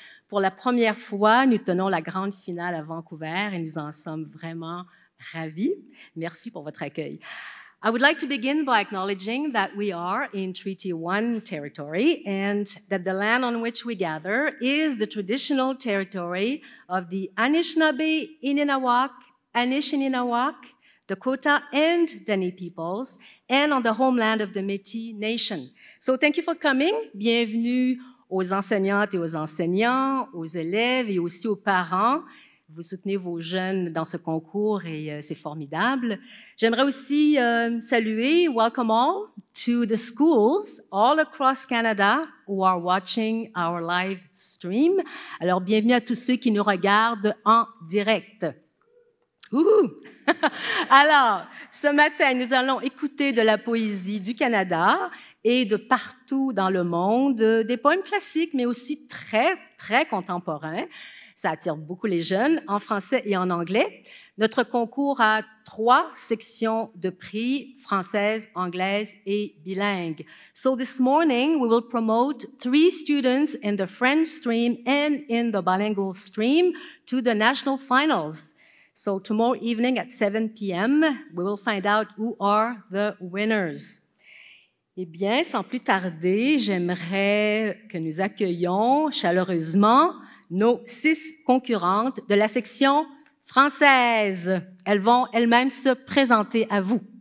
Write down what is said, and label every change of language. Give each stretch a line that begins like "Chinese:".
French: Pour la première fois, nous tenons la grande finale à Vancouver et nous en sommes vraiment ravis. Merci pour votre accueil.
English: I would like to begin by acknowledging that we are in Treaty 1 territory and that the land on which we gather is the traditional territory of the Anishinaabe, Ininawak, Anishininawak, Dakota, and Dene peoples, and on the homeland of the Métis Nation. So thank you for coming.
French: Bienvenue aux enseignantes et aux enseignants, aux élèves et aussi aux parents. Vous soutenez vos jeunes dans ce concours et c'est formidable. J'aimerais aussi saluer,
English: welcome all, to the schools all across Canada who are watching our live stream.
French: Alors, bienvenue à tous ceux qui nous regardent en direct. Alors, ce matin, nous allons écouter de la poésie du Canada et de partout dans le monde, des poèmes classiques, mais aussi très, très contemporains. Ça attire beaucoup les jeunes, en français et en anglais. Notre concours a trois sections de prix, française, anglaise et bilingue.
English: So this morning, we will promote three students in the French stream and in the bilingual stream to the national finals. So tomorrow evening at 7 p.m., we will find out who are the winners.
French: Eh bien, sans plus tarder, j'aimerais que nous accueillions chaleureusement nos six concurrentes de la section française. Elles vont elles-mêmes se présenter à vous.